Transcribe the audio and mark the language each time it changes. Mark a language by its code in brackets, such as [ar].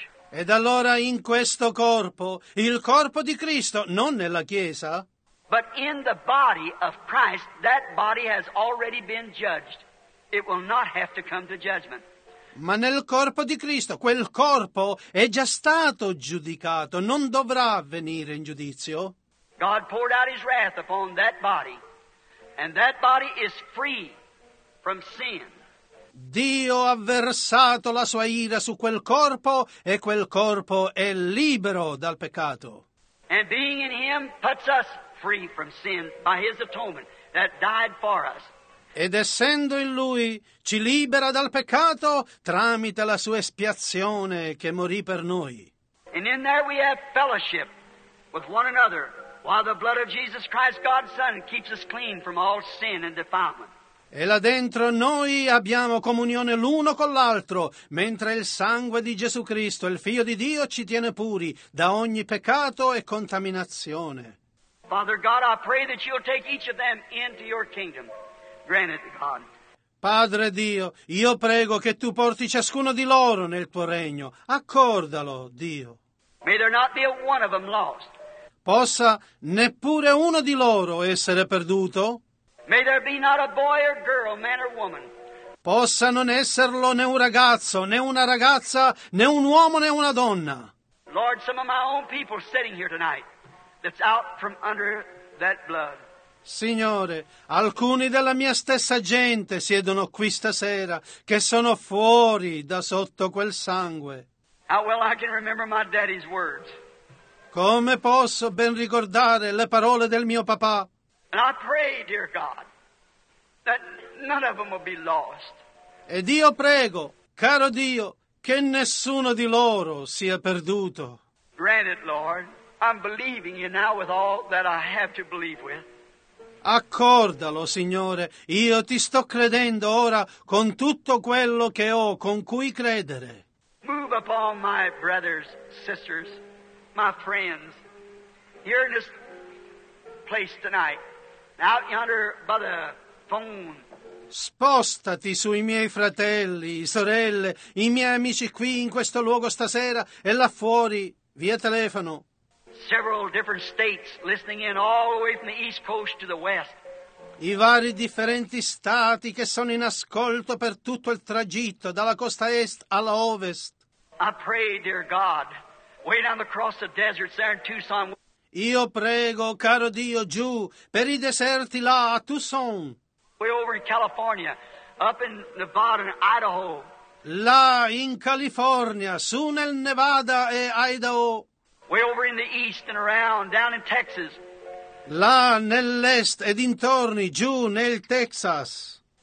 [it] Ed allora in questo corpo, il corpo di Cristo, non nella Chiesa, [en] but in the body of Christ, that body has already been judged. It will not have to come to judgment. [it] Ma nel corpo di Cristo, quel corpo è già stato giudicato, non dovrà venire in giudizio. [en] God poured out his wrath upon that body, and that body is free from sin. [it] Dio ha versato la sua ira su quel corpo, e quel corpo è libero dal peccato. [en] And being in him puts us free from sin by his atonement that died for us. [it] Ed essendo in Lui, ci libera dal peccato tramite la sua espiazione che morì per noi. [en] And in there we have fellowship with one another, while the blood of Jesus Christ, God's Son, keeps us clean from all sin and defilement. [it] E là dentro noi abbiamo comunione l'uno con l'altro, mentre il sangue di Gesù Cristo, il Figlio di Dio, ci tiene puri da ogni peccato e contaminazione. [en] Father God, I pray that you'll take each of them into your kingdom. Granted, God. [it] Padre Dio, io prego che tu porti ciascuno di loro nel tuo regno. Accordalo, Dio. [en] May there not be a one of them lost. [it] possa neppure uno di loro essere perduto. [en] May there be not a boy or girl, man or woman. [it] Possa non esserlo né un ragazzo, né una ragazza, né un uomo, né una donna. [en] Lord, some of my own people sitting here tonight that's out from under that blood. [it] Signore, alcuni della mia stessa gente siedono qui stasera che sono fuori da sotto quel sangue. [en] How well I can remember my daddy's words. [it] Come posso ben ricordare le parole del mio papà? [en] And I pray, dear God, that none of them will be lost. [it] Ed io prego, caro Dio, che nessuno di loro sia perduto. [en] Grant it, Lord. I'm believing you now with all that I have to believe with. [it] Accordalo, Signore, io ti sto credendo ora con tutto quello che ho con cui credere. [en] Move upon my brothers, sisters, my friends, here in this place tonight, out yonder by the phone. [it] Spostati sui miei fratelli, sorelle, i miei amici qui in questo luogo stasera e là fuori, via telefono. [en] Several different states listening in all the way from the east coast to the west. [it] I vari differenti stati che sono in ascolto per tutto il tragitto dalla costa est alla ovest. [en] I pray, dear God, way down across the deserts there in Tucson. [it] Io prego, caro Dio, giù per i deserti là a Tucson. [en] Way over in California, up in Nevada and Idaho. [it] Là in California, su nel Nevada e Idaho. [en] Way over in the east and around, down in Texas. [it] Là nell'est ed intorni, giù nel Texas.